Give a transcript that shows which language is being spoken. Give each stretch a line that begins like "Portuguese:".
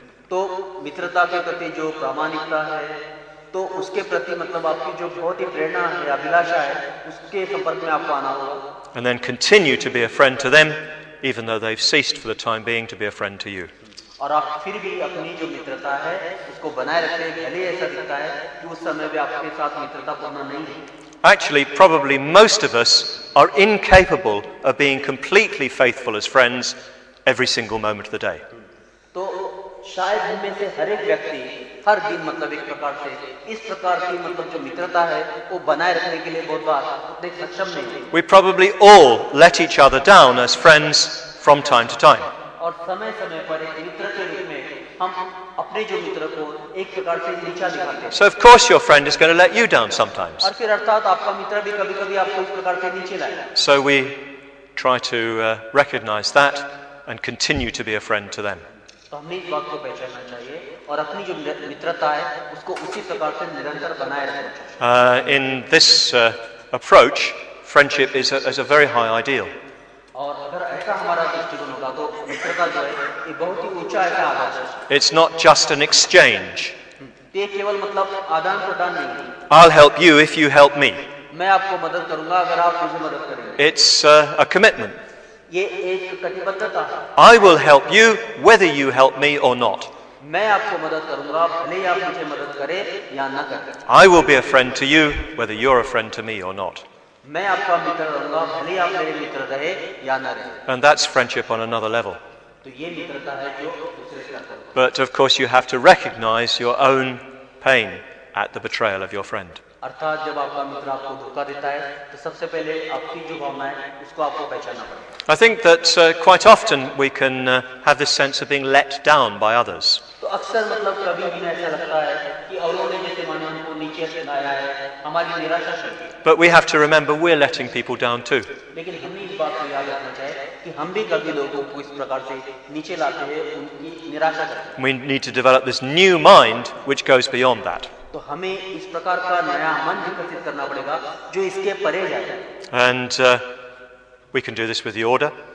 Hindi: तो मित्रता के प्रति जो प्रामाणिकता है तो उसके प्रति मतलब आपकी जो बहुत ही प्रेरणा है अभिलाषा है उसके संपर्क में आपको आना होगा.
English: And then continue to be a friend to them even though they've ceased for the time being to be a friend to you.
Hindi: और आप फिर भी अपनी जो मित्रता है उसको बनाए रखते हैं भले ऐसा दिखता है कि उस समय भी आपके साथ मित्रता पूर्ण नहीं है.
English: Actually, probably most of us are incapable of being completely faithful as friends every single moment of the day.
Hindi: तो शायद हम में से हर एक व्यक्ति हर दिन मतलब एक प्रकार से इस प्रकार की मतलब जो मित्रता है वो बनाए रखने के लिए बहुत बार उतने सक्षम नहीं.
English: We probably all let each other down as friends from time to time.
Hindi: और समय समय पर एक मित्र के रूप में हम अपने जो मित्र को एक प्रकार से नीचा दिखाते हैं.
English: So of course your friend is going to let you down sometimes.
Hindi: और फिर अर्थात आपका मित्र भी कभी कभी आपको इस प्रकार से नीचे लाएगा.
English: So we try to recognize that and continue to be a friend to them.
Hindi: तो हमें इस बात को पहचानना चाहिए और अपनी जो मित्रता है उसको उसी प्रकार से निरंतर बनाए रखना चाहिए.
English: In this approach, friendship is a very high ideal.
Hindi: और अगर ऐसा हमारा दृष्टिकोण होगा तो मित्रता जो है ये बहुत ही ऊंचा ऐसा आदर्श है.
English: It's not just an exchange.
Hindi: ये केवल मतलब आदान प्रदान नहीं है.
English: I'll help you if you help me.
Hindi: मैं आपको मदद करूंगा अगर आप मुझे मदद करेंगे.
English: It's a commitment.
Hindi: ये एक कटिबद्धता.
English: I will help you whether you help me or not.
Hindi: मैं आपको मदद करूंगा भले ही आप मुझे मदद करें या ना करें.
English: I will be a friend to you whether you're a friend to me or not.
Hindi: मैं आपका मित्र रहूंगा भले आप मेरे मित्र रहे या ना रहे.
English: And that's friendship on another level.
Hindi: तो ये मित्रता है जो दूसरे स्तर पर.
English: But of course you have to recognize your own pain at the betrayal of your friend.
Hindi: अर्थात जब आपका मित्र आपको धोखा देता है तो सबसे पहले आपकी जो भावना है उसको आपको पहचानना पड़ेगा.
English: I think that quite often we can have this sense of being let down by others.
Hindi: तो अक्सर मतलब कभी भी ऐसा लगता है कि औरों ने जैसे मन को नीचे दिखाया है हमारी निराशा से.
English: But we have to remember we're letting people down too.
Hindi: लेकिन हमें इस बात को याद रखना चाहिए कि हम भी कभी लोगों को इस प्रकार से नीचे लाते हैं उनकी निराशा करते हैं.
English: We need to develop this new mind which goes beyond that.
Hindi: तो हमें इस प्रकार का नया मन विकसित करना पड़ेगा जो इसके परे जाता है.
English: And we can do this with the order.